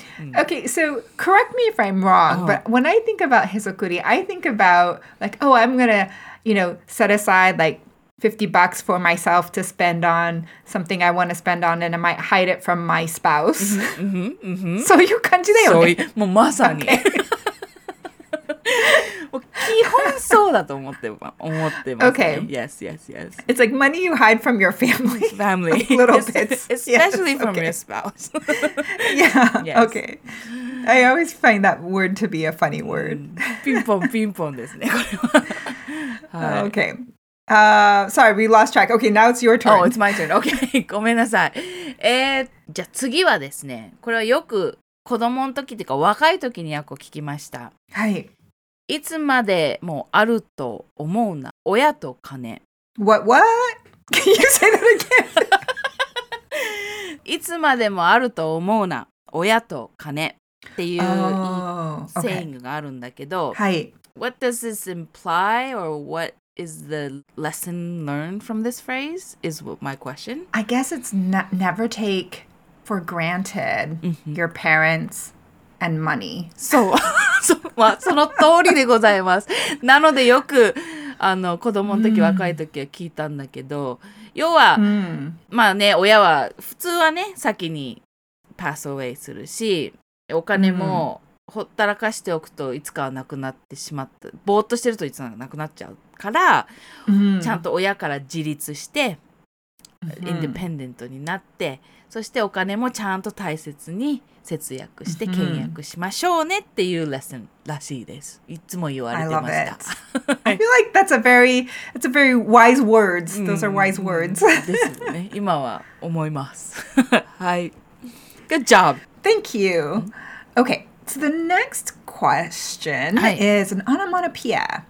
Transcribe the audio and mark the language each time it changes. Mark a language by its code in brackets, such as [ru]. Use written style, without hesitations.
[en] Okay, so correct me if I'm wrong, but when I think about hesokuri, I think about like, oh, I'm gonna, you know, set aside like 50 bucks for myself to spend on something I want to spend on, and I might hide it from my spouse. [ja] そういう感じだよね。もうまさに。基本そうだと思ってます、ね。Okay. [en] Yes, yes, yes. It's like money you hide from your family. Family. Little bits. Especially yes, from your spouse. Yeah. Yes. Okay. I always find that word to be a funny word. [ja] ピンポンですね。 [en] Okay. Sorry, we lost track. Okay, now it's your turn. Oh, it's my turn. Okay. [ja] ごめんなさい。じゃあ次はですね、これはよく子供の時というか若い時にやっこ聞きました。はい。いつまでもあると思うな、親と金。 [en] What? Can you say that again? [ja] いつまでもあると思うな、親と金っていう、saying があるんだけど、はい。 [en] What does this imply or what is the lesson learned from this phrase is my question. I guess it's never take for granted your parents and money. [ja] そう。まあ、その通りでございます。なのでよく子供の時、若い時は聞いたんだけど、要は、まあね、親は普通はね、先にパスアウェイするし、お金もほったらかしておくといつかはなくなってしまった。ぼーっとしてるといつかなくなっちゃうから、 mm-hmm. ちゃんと親から自立して、mm-hmm. インディペンデントになって、そしてお金もちゃんと大切に節約して契約しましょうねっていうレッスンらしいです。いつも言われてました。 [en] I love it. I feel like that's a very wise words. Those are wise words. [ja] ですね。今は思います。はい。 [en] Good job. Thank you. Okay, so the next question is an onomatopoeia.